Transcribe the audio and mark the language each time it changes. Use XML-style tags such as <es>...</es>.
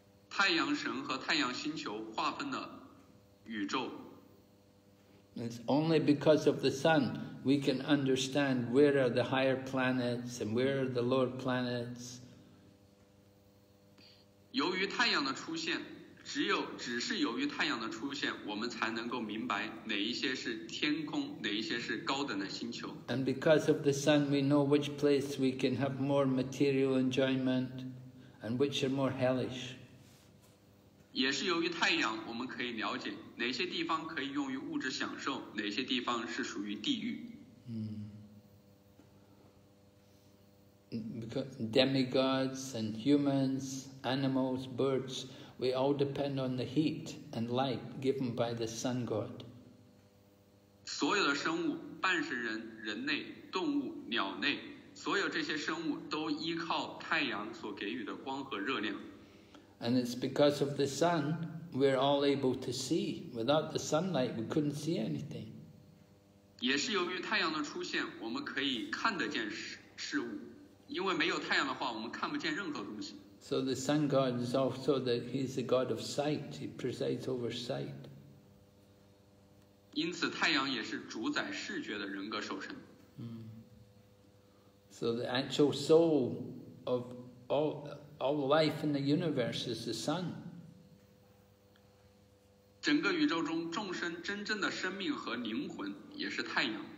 <zh>太阳神和太阳星球划分了宇宙。</zh> <en>It's only because of the sun we can understand where are the higher planets and where are the lower planets.</en> <zh>由于太阳的出现，只是由于太阳的出现，我们才能够明白哪一些是天空，哪一些是高等的星球。</zh> <en>And because of the sun, we know which place we can have more material enjoyment, and which are more hellish.</en> <zh>也是由于太阳，我们可以了解哪些地方可以用于物质享受，哪些地方是属于地狱。</zh> <en>Because demigods and humans, animals, birds. We all depend on the heat and light given by the sun god.</en> <zh>所有的生物，半神人、人类、动物、鸟类，所有这些生物都依靠太阳所给予的光和热量。</zh> <en>And it's because of the sun we're all able to see. Without the sunlight, we couldn't see anything.</en> <zh>也是由于太阳的出现，我们可以看得见事物。因为没有太阳的话，我们看不见任何东西。</zh> <en>So the sun god is also he's the god of sight. He presides over sight.</en> <zh>因此太阳也是主宰视觉的人格守神。</zh> <en>So the actual soul of all life in the universe is the sun.</en> <zh>整个宇宙中众生真正的生命和灵魂也是太阳。</zh>